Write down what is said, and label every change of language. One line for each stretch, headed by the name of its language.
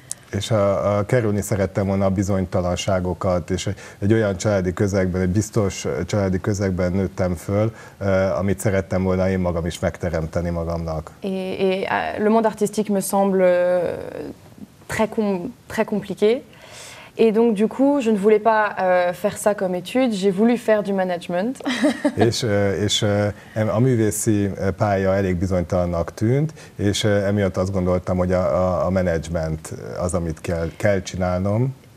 Hungarian: És kerülni szerettem volna a bizonytalanságokat, és egy olyan családi közegben, egy biztos családi közegben nőttem föl, amit szerettem volna én magam is megteremteni magamnak.
French: Et le monde artistique me semble très compliqué. Et donc du coup, je ne voulais pas faire ça comme étude, j'ai voulu faire du management.
Hungarian: és a művészi pálya elég bizonytalannak tűnt, és emiatt azt gondoltam, hogy a management az, amit kell csinálnom.